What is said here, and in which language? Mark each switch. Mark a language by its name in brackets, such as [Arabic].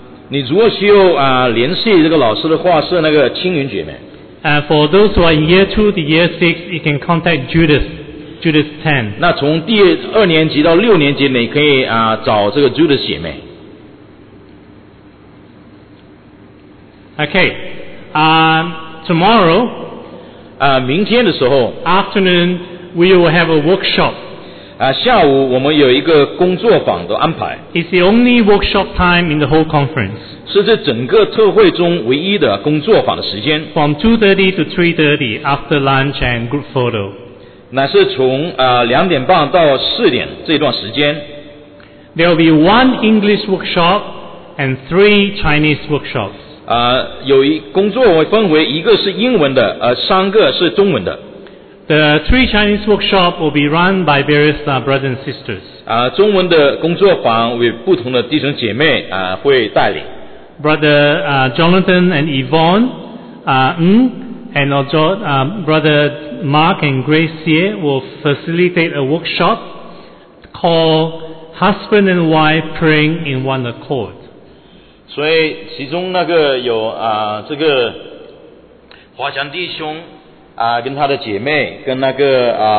[Chinese] 你如果需要联系这个老师的话，是那个青云姐妹。 [English] For those who are in year 2 to year 6, you can contact Judith. Judith 10. [Chinese] 那从第二年级到六年级，你可以找这个 Judith 姐妹。 [English] Okay, tomorrow, [Chinese] 明天的时候 [English] ，afternoon we will have a workshop. [Chinese] 下午我们有一个工作坊的安排。 [English] It's the only workshop time in the whole conference. [Chinese] 是这整个特会中唯一的工作坊的时间。 [English] From 2:30 to 3:30 after lunch and group photo. [Chinese] 乃是从两点半到四点这段时间。 [English] There will be one English workshop and three Chinese workshops. [Chinese] 有一工作分为一个是英文的，三个是中文的。 [English] The three Chinese workshop will be run by various brothers and sisters. [Chinese] 中文的工作坊为不同的弟兄姐妹会带领。 [English] Brother Jonathan and Yvonne, and also Brother Mark and Grace here will facilitate a workshop called Husband and Wife Praying in One Accord. [Chinese] 所以其中那个有这个华强弟兄跟他的姐妹跟那个